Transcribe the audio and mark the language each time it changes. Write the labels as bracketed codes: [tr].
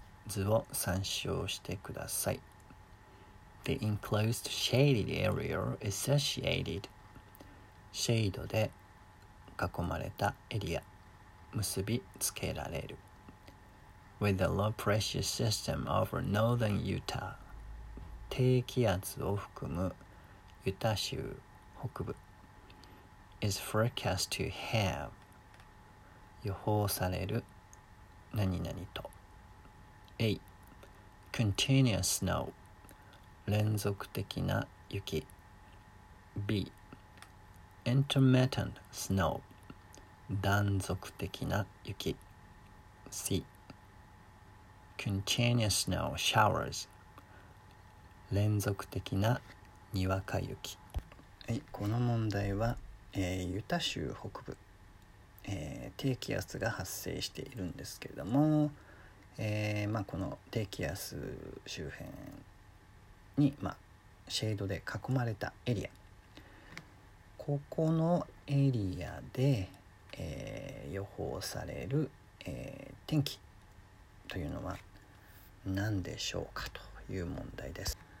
[ja] 図を参照してください。 [en] The enclosed shaded area associated. [ja] シェイドで囲まれたエリア。結びつけられる。 [en] With the low pressure system over northern Utah. [ja] 低気圧を含むユタ州北部。 [en] Is forecast to have. [ja] 予報される。何々と。 [en] A. Continuous snow. [ja] 連続的な雪。 [en] B. Intermittent snow. [ja] 断続的な雪。 [en] C. Continuous snow showers. [ja] 連続的なにわか雪。はい、この問題は、ユタ州北部、低気圧が発生しているんですけれども、この低気圧周辺に、シェードで囲まれたエリア、ここのエリアで、予報される、天気というのは何でしょうかという問題です。